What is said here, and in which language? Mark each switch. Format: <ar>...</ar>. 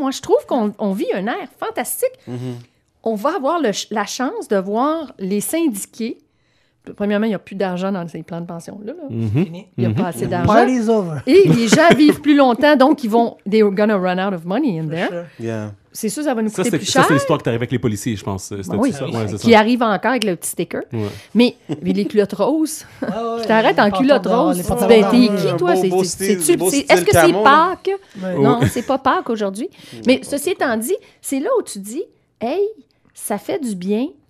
<fr>Moi, je trouve qu'on vit un air fantastique. Mm-hmm. On va avoir la chance de voir les syndiqués. Premièrement, il n'y a plus d'argent dans ces plans de pension-là. Mm-hmm. Il n'y a pas assez d'argent.</fr> <en>Party's over.</en> <fr>Et les gens vivent plus longtemps, donc ils vont...</fr> <en>They're gonna run out of money in there.</en> <fr>C'est sûr, ça va nous coûter plus cher. Ça, c'est l'histoire que tu arrives avec les policiers, je pense. Ben oui, qui arrive encore avec le petit sticker. Ouais. Mais les culottes roses. Je t'arrête en culottes roses. Ben, t'es qui, toi? Est-ce que c'est Pâques? Non, c'est pas Pâques aujourd'hui. Mais ceci étant dit, c'est là où tu dis, hey, ça fait du bien.</fr>